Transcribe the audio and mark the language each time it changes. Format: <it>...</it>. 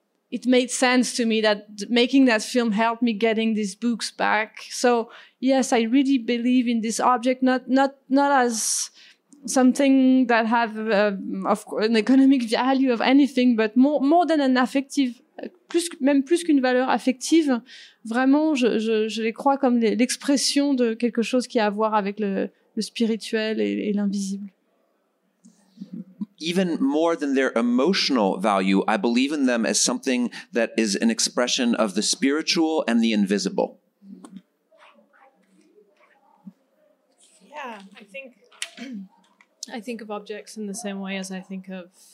<en>It made sense to me that making that film helped me getting these books back. So, yes, I really believe in this object, not as something that have of course, an economic value of anything, but more than an affective,</en> <fr>plus, même plus qu'une valeur affective. Vraiment, je les crois comme l'expression de quelque chose qui a à voir avec le spirituel et l'invisible.</fr> <en>Even more than their emotional value, I believe in them as something that is an expression of the spiritual and the invisible. Yeah, I think of objects in the same way as I think of...</en>